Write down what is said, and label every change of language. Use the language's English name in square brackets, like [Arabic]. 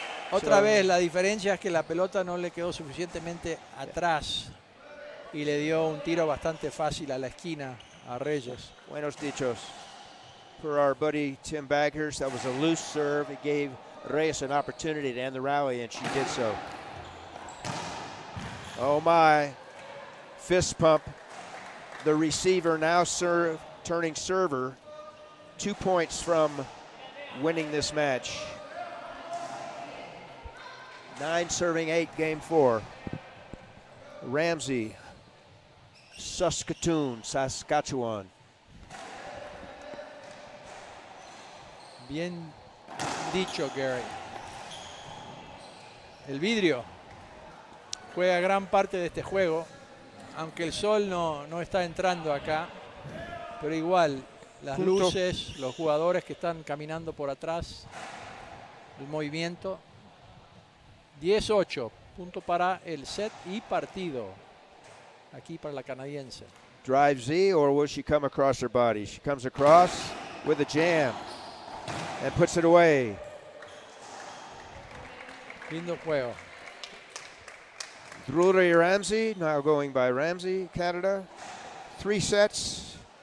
[Spanish] Otra so, vez, la diferencia es que la pelota no le quedó suficientemente atrás y le dio un tiro bastante fácil a la esquina a Reyes. Buenos dichos. [English] For our buddy Tim Baggers, that was a loose serve. It gave Reyes an opportunity to end the rally, and she did so. Oh my, fist pump. The receiver now serve, turning server, 2 points from winning this match. 9-8, game four. Ramsay, Saskatoon, Saskatchewan. [Spanish] Bien dicho, Gary. El vidrio juega gran parte de este juego, aunque el sol no está entrando acá, pero igual, las luces, los jugadores que están caminando por atrás, el movimiento. 10-8, punto para el set y partido aquí para la canadiense. [English] Drive Z, or will she come across her body? She comes across with a jam and puts it away. [Spanish] Lindo juego. [English] Drury Ramsay, now going by Ramsay, Canada. Three sets.